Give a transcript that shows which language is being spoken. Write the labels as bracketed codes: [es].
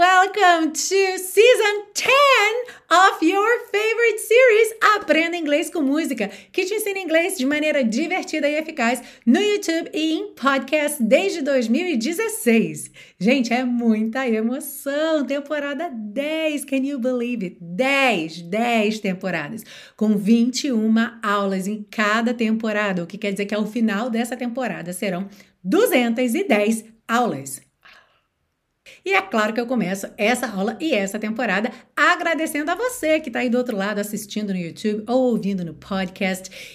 [en] Welcome to season 10 of your favorite series, [pt] Aprenda Inglês com Música, que te ensina inglês de maneira divertida e eficaz no YouTube e em podcast desde 2016. Gente, é muita emoção! Temporada 10, [en] can you believe it? [pt] 10, 10 temporadas, com 21 aulas em cada temporada, o que quer dizer que ao final dessa temporada serão 210 aulas. E é claro que eu começo essa aula e essa temporada agradecendo a você que está aí do outro lado assistindo no YouTube ou ouvindo no podcast.